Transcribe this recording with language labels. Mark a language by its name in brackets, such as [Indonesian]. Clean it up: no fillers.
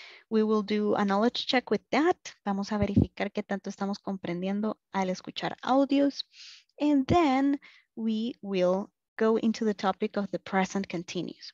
[English] We will do a knowledge check with that. [Spanish] Vamos a verificar qué tanto estamos comprendiendo al escuchar audios. [English] And then we will go into the topic of the present continuous.